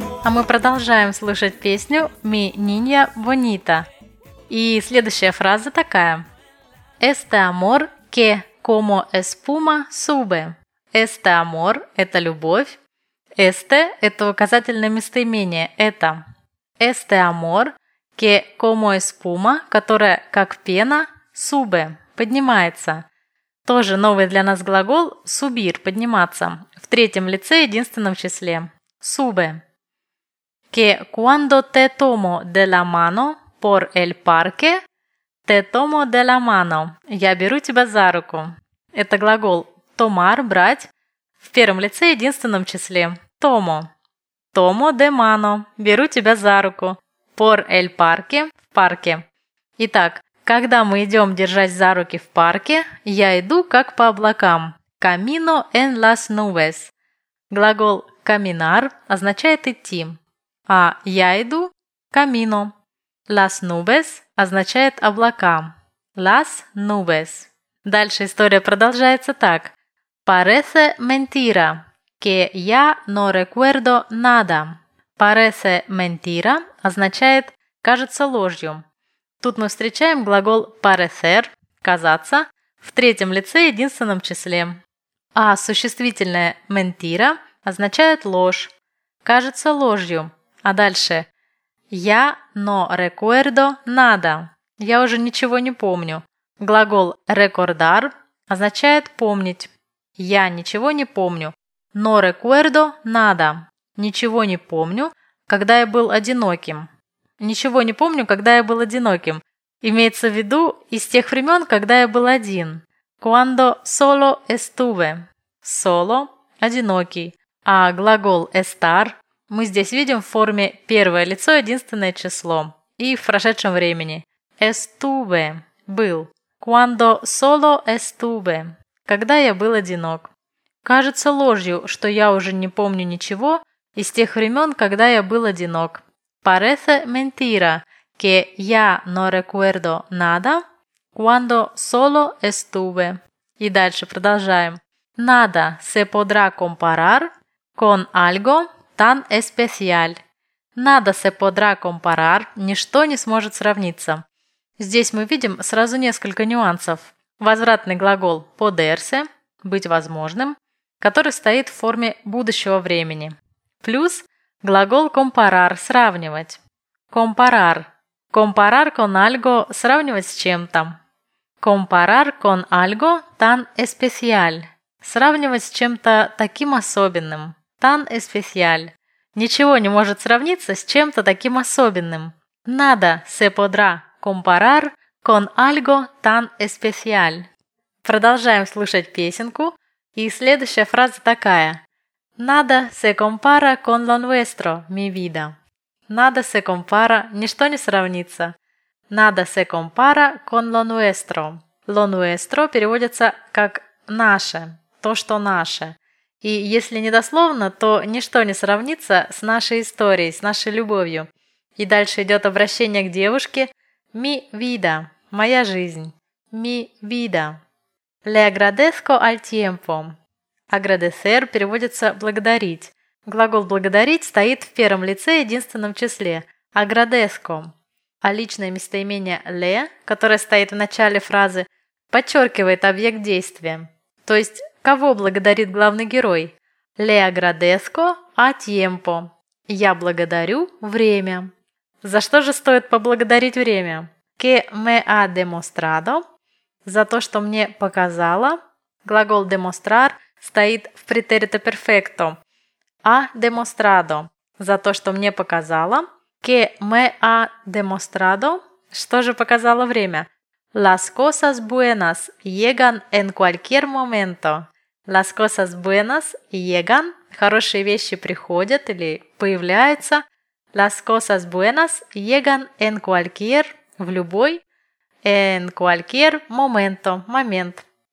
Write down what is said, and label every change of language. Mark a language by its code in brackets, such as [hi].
[ru] Мы продолжаем слушать песню «Mi niña bonita». И следующая фраза такая. [es] «Este amor que como espuma sube». «Este amor» [ru] – это любовь. «Este» – это указательное местоимение. «Это». [es] «Este amor que como espuma», [ru] которая как пена, [es] «sube» – [ru] поднимается. Тоже новый для нас глагол «subir» – подниматься. В третьем лице единственном числе. [es] «Sube». Que cuando te tomo de la mano por el parque, te tomo de la mano. [ru] Я беру тебя за руку. Это глагол tomar, брать, в первом лице единственном числе. Tomo. [es] Tomo de mano. [ru] Беру тебя за руку. [es] Por el parque. [ru] В парке. Итак, когда мы идем держась за руки в парке, я иду как по облакам. [es] Camino en las nubes. [ru] Глагол caminar означает идти. А я иду camino. [es] Las nubes [ru] означает облака. [es] Las nubes. [ru] Дальше история продолжается так. [es] Parece mentira que ya no recuerdo nada. Parece mentira [ru] означает «кажется ложью». Тут мы встречаем глагол parecer – «казаться» в третьем лице единственном числе. А существительное mentira означает «ложь», «кажется ложью». А дальше «я [es] no recuerdo nada» [ru] – «я уже ничего не помню». Глагол recordar означает «помнить». «Я ничего не помню». [es] «No recuerdo nada» [ru] – «ничего не помню, когда я был одиноким». «Ничего не помню, когда я был одиноким» – имеется в виду «из тех времен, когда я был один». [es] «Cuando solo estuve» – «solo» – «одинокий». [ru] А глагол «estar» мы здесь видим в форме «первое лицо, единственное число» и в прошедшем времени. «Estuve» – «был». [es] «Cuando solo estuve» [ru] – «когда я был одинок». «Кажется ложью, что я уже не помню ничего из тех времен, когда я был одинок». [es] Parece mentira que ya no recuerdo nada cuando solo estuve. [ru] И дальше продолжаем. [es] Nada se podrá comparar con algo tan especial. Nada se podrá comparar. [ru] Ничто не сможет сравниться. Здесь мы видим сразу несколько нюансов. Возвратный глагол poderse, быть возможным, который стоит в форме будущего времени. Плюс глагол comparar – сравнивать. [es] Comparar. Comparar con algo – [ru] сравнивать с чем-то. [es] Comparar con algo tan especial. [ru] Сравнивать с чем-то таким особенным. [es] Tan especial. [ru] Ничего не может сравниться с чем-то таким особенным. [es] Nada se podrá comparar con algo tan especial. [ru] Продолжаем слушать песенку. И следующая фраза такая. [es] Nada se compara con lo nuestro, mi vida. Nada se compara, [ru] ничто не сравнится. [es] Nada se compara con lo nuestro. Lo nuestro [ru] переводится как наше, то, что наше. И если недословно, то ничто не сравнится с нашей историей, с нашей любовью. И дальше идет обращение к девушке. [es] Mi vida, [ru] моя жизнь. [es] Mi vida. Le agradezco al tiempo. [ru] Agradecer переводится «благодарить». Глагол «благодарить» стоит в первом лице единственном числе – «agradezco». А личное местоимение «le», которое стоит в начале фразы, подчеркивает объект действия. То есть, кого благодарит главный герой? [es] «Le agradezco a tiempo». [ru] «Я благодарю время». За что же стоит поблагодарить время? [es] «Que me ha demostrado» [ru] – «за то, что мне показало». Глагол «demostrar» – стоит в претерито перфекто. [es] «Ha demostrado» [ru] – «за то, что мне показало». [es] «Que me ha demostrado» [ru] – «что же показало время». [es] «Las cosas buenas llegan en cualquier momento». «Las cosas buenas llegan» [ru] – «хорошие вещи приходят или появляются». [es] «Las cosas buenas llegan en cualquier» – [ru] «в любой». [es] «En cualquier momento» – «момент».